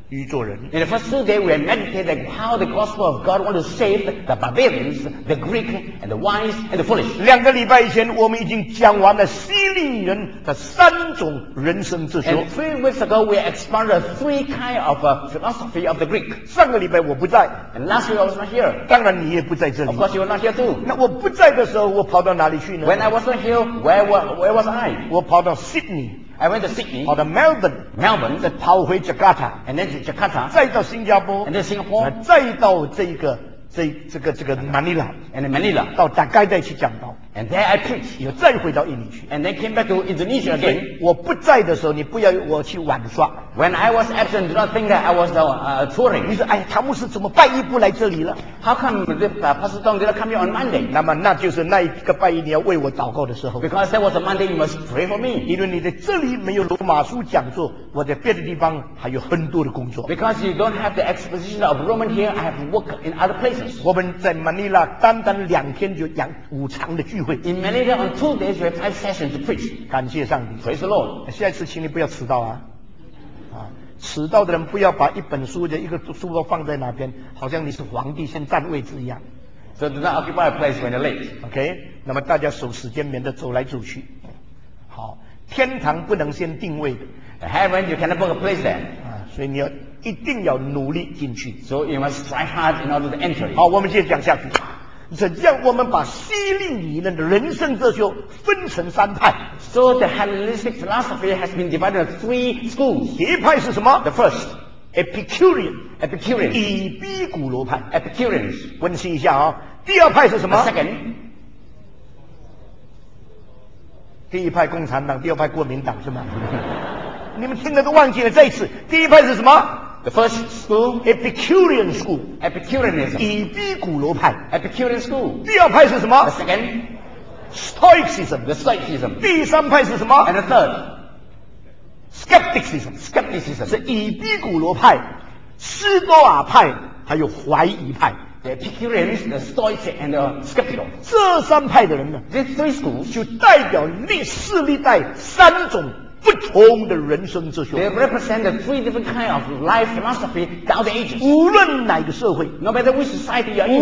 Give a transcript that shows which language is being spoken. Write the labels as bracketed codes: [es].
[en] In the first 2 days, we meditated how the gospel of God wants to save the barbarians, the Greek, and the wise, and the foolish. [zh] 两个礼拜以前，我们已经讲完了希利人的三种人生哲学。 [en] And 3 weeks ago, we explored the 3 kinds of philosophy of the Greek. [zh] 上个礼拜我不在。 [en] And last week, I was not here. [zh] 当然你也不在这里。 [en] Of course, you were not here too. [zh] 那我不在的时候，我跑到哪里去呢？ [en] When I was not here, where was I? [zh] 我跑到 Sydney. [en] I went to Sydney, or the Melbourne, Melbourne, [zh] 再跑回 Jakarta, [en] and then to Jakarta, [zh] 再到新加坡 [en] and then Singapore, [zh] 再到这个 Manila, [en] and then Manila, [zh] 到大概再去讲道 [en] and there I preach, [zh] 又再回到印尼去 [en] and then came back to Indonesia again. [zh] 我不在的时候，你不要我去玩耍 [en] When I was absent, do not think that I was touring. [zh] 你说，哎，唐牧师怎么拜一不来这里了？ [en] How come the Pastor Tom did not come here on Monday? [zh] 那么那就是那一个拜一你要为我祷告的时候。 [en] Because that was a Monday, you must pray for me. [zh] 因为你在这里没有罗马书讲座，我在别的地方还有很多的工作。 [en] Because you don't have the exposition of Roman here, I have work in other places. [zh] 我们在 Manila 单单两天就讲五场的聚会。 [en] In Manila, on 2 days, we have 5 sessions to preach. [zh] 感谢上帝。 [en] Praise the Lord. [zh] 下次请你不要迟到啊。迟到的人不要把一本书的一个书包放在哪边，好像你是皇帝先占位置一样。 [en] So do not occupy a place when you're late. [zh] OK， 那么大家守时间，免得走来走去。好，天堂不能先定位的。 [en] Heaven, you cannot book a place there. [zh] 所以你要一定要努力进去。 [en] So you must strive hard in order to enter. [zh] 好，我们接着讲下去。怎样我们把希利尼人的人生哲学分成三派 [en] ？So the Hellenistic philosophy has been divided into 3 schools. [zh] 第一派是什么 [en] ？The first, [zh] Epicurean, 以比古罗派 [en] ，Epicureans. [zh] 温习一下啊、哦。第二派是什么 [en] ？The second. [zh] 第一派共产党，第二派国民党是吗？你们听了都忘记了。这一次，第一派是什么？ [en] The first school, Epicurean school, Epicureanism, [zh] 以比古罗派 [en] Epicurean school. [zh] 第二派是什么 [en] ？The second, Stoicism, the Stoicism. [zh] 第三派是什么 [en] ？And the third, Skepticism, Skepticism. [zh] 是以比古罗派、斯多亚派还有怀疑派。 [en] The Epicureans, the Stoics, and the Skeptical. [zh] 这三派的人呢 [en] ？These three schools [zh] 就代表历世历代三种。不同的人生哲学 [en] They represent the 3 different kinds of life philosophy down the ages [zh] 无论哪个社会 [en] No matter which society you are in